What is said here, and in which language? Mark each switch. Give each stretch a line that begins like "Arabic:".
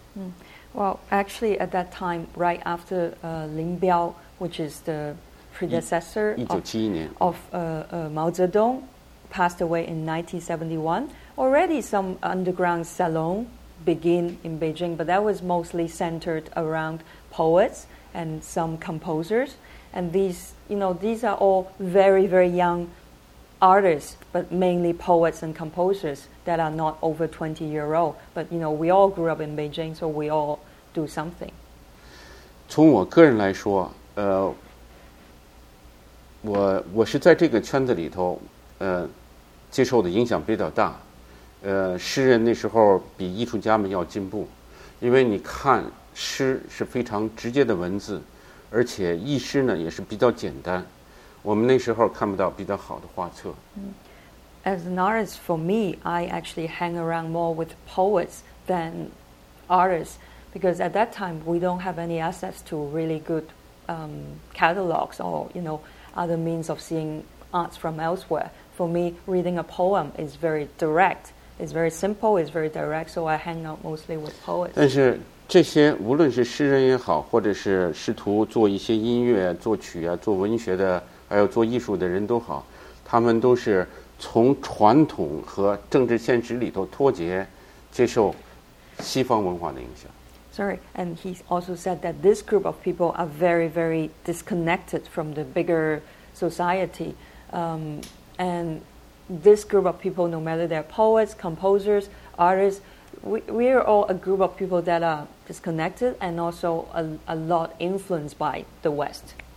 English: 嗯，well, actually, at that time, right after Lin Biao, which is the predecessor of Mao Zedong, passed away in 1971, already some underground salon began in Beijing, but that was mostly centered around poets and some composers. And these are all very, very young artists, but mainly poets and composers that are not over 20 years old. But, you know, we all grew up in Beijing, so we all... do something.
Chinese: 从我个人来说，我是在这个圈子里头，接受的影响比较大。诗人那时候比艺术家们要进步，因为你看诗是非常直接的文字，而且译诗呢也是比较简单。我们那时候看不到比较好的画册。
English: As an artist, for me, I actually hang around more with poets than artists. Because at that time, we don't have any access to really good catalogs or, you know, other means of seeing arts from elsewhere. For me, reading a poem is very direct. It's very simple, it's very direct, so I hang out mostly with poets.
Chinese: 但是这些无论是诗人也好，或者是试图做一些音乐、作曲啊、做文学的，还有做艺术的人都好，他们都是从传统和政治现实里头脱节，接受西方文化的影响。
English: Sorry, and he also said that this group of people are very, very disconnected from the bigger society. And this group of people, no matter they're poets, composers, artists, we are all a group of people that are disconnected and also a lot influenced by the West.